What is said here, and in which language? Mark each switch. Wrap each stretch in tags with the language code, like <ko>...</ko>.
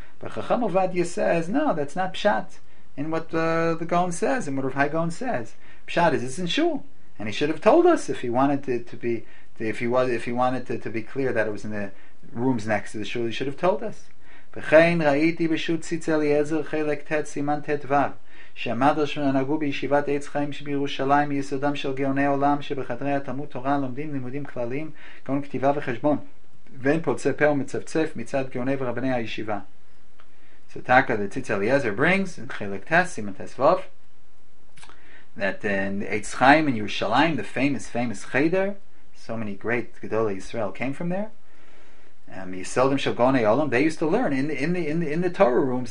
<en>But Chacham Ovadia says, no, that's not pshat in what the Gaon says, and what Rav Hai Gaon says. Pshat is it's in shul. And he should have told us if he wanted it to be, if he wanted to be clear that it was in the rooms next to the shul, he should have told us.</en> <he>V'chein ra'iti b'shut tzitz Eliezer chelek tet siman tet vav. שהמדרש הנהגו בישיבת עץ חיים שבירושלים מיסודם של גאוני עולם שבחדרי התלמוד תורה לומדים לימודים כלליים כגון כתיבה וחשבון ואין פוצה פה ומצפצף מצד גאוני ורבני הישיבה.</he> <en>So Taka the Tzitz Eliezer brings in Chelek Tes, Siman Tes Vav, that in Eitz Chaim in Yerushalayim, the famous cheder, so many great Gedolei Yisrael came from there.</en> <he>Yisodim Shel Gaonei Olam,</he> <en>they used to learn in the Torah rooms.</en>